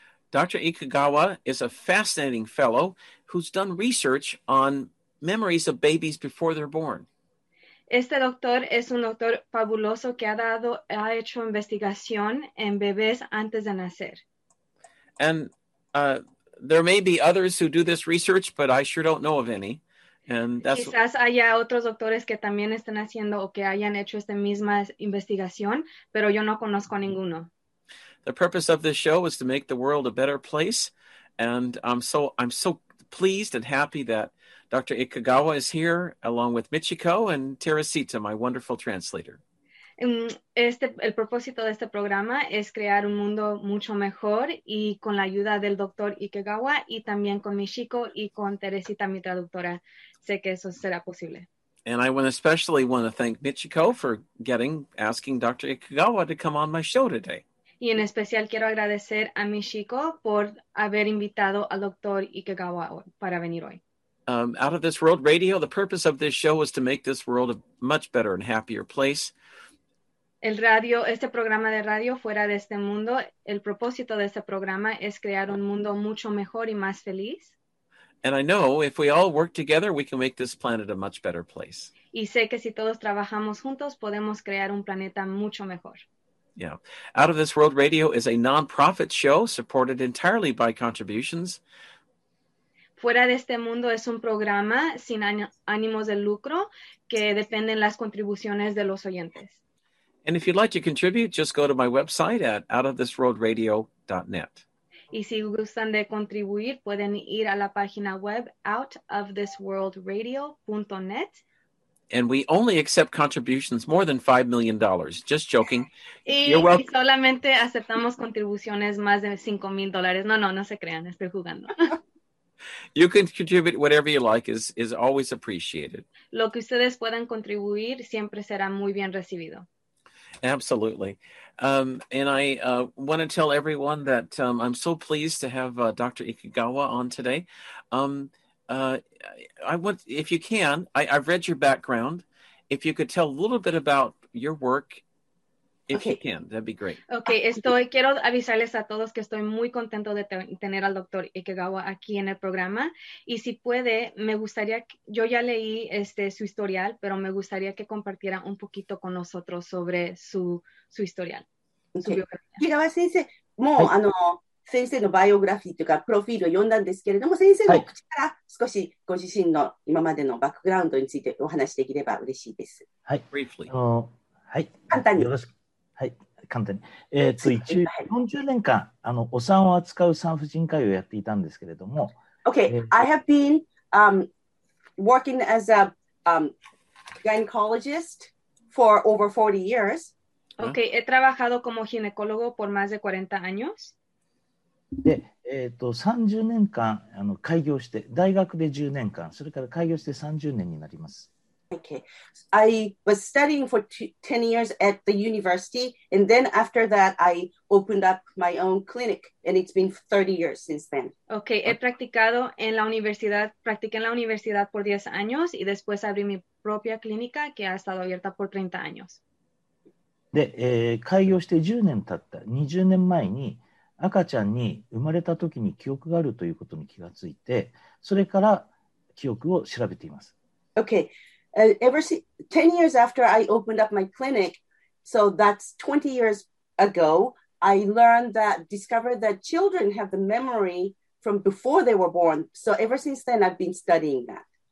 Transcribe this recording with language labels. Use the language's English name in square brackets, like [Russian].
[English] Dr. Ikagawa is a fascinating fellow who's done research on memories of babies before they're born. [Spanish] Este doctor es un doctor fabuloso que ha hecho investigación en bebés antes de nacer. [English] And there may be others who do this research, but I sure don't know of any. And that's [Spanish] quizás haya otros doctores que también estén haciendo o que hayan hecho esta misma investigación, pero yo no conozco ninguno. [English] The purpose of this show is to make the world a better place, and I'm so pleased and happy that Dr. Ikagawa is here along with Michiko and Teresita, my wonderful translator. [Spanish] El propósito de este programa es crear un mundo mucho mejor y con la ayuda del Dr. Ikagawa y también con Michiko y con Teresita, mi traductora. Sé que eso será posible. [English] And I especially want to thank Michiko for asking Dr. Ikagawa to come on my show today. [Spanish] Y en especial quiero agradecer a Michiko por haber invitado al Dr. Ikagawa para venir hoy. [English] Out of This World Radio, the purpose of this show is to make this world a much better and happier place. [Spanish] El radio, este programa de radio fuera de este mundo, el propósito de este programa es crear un mundo mucho mejor y más feliz. [English] And I know if we all work together, we can make this planet a much better place. [Spanish] Y sé que si todos trabajamos juntos, podemos crear un planeta mucho mejor. [English] Yeah. Out of This World Radio is a non-profit show supported entirely by contributions. [Spanish] Fuera de este mundo es un programa sin ánimos de lucro que dependen las contribuciones de los oyentes. [English] And if you'd like to contribute, just go to my website at outofthisworldradio.net. [Spanish] Y si gustan de contribuir, pueden ir a la página web outofthisworldradio.net. [English] And we only accept contributions more than $5 million. Just joking. [Spanish] Y solamente aceptamos contribuciones más de $5,000. No se crean, estoy jugando. [English] You can contribute whatever you like is always appreciated. [Spanish] Lo que ustedes puedan contribuir siempre será muy bien recibido. [English] Absolutely. And I want to tell everyone that I'm so pleased to have Dr. Ikagawa on today. I've read your background. If you could tell a little bit about your work. [Spanish] Quiero avisarles a todos que estoy muy contento de tener al Dr. Ikagawa aquí en el programa. Y si puede, me gustaría, yo ya leí su historial, pero me gustaría que compartiera un poquito con nosotros sobre su historial. [Japanese] Ikagawa 先生、もう、はい、先生のバイオグラフィーというか、プロフィールを読んだんですけれども、先生の口から少しご自身の今までのバックグラウンドについてお話しできれば嬉しいです。はい、 [English] briefly。 [Japanese] はい、簡単に。よろしく。はい、簡単に、一応40年間お産を扱う産婦人科医をやっていたんですけれども、 [English] Okay, I have been working as a gynecologist for over 40 years. [Spanish] Okay, he trabajado como ginecólogo por más de 40 años. [Japanese] で、30年間開業して大学で10年間、それから開業して30年になります。 [English] Okay, I was studying for 10 years at the university, and then after that, I opened up my own clinic, and it's been 30 years since then. [Spanish] Okay, he practicado en la universidad, practiqué en la universidad por 10 años, y después abrí mi propia clínica, que ha estado abierta por 30 años. [Japanese] で、開業して10年経った、20年前に、赤ちゃんに生まれた時に記憶があるということに気がついて、それから記憶を調べています。 [English] Okay. 10 years after I opened up my clinic, so that's 20 years ago, I discovered that children have the memory from before they were born. So ever since then, I've been studying that.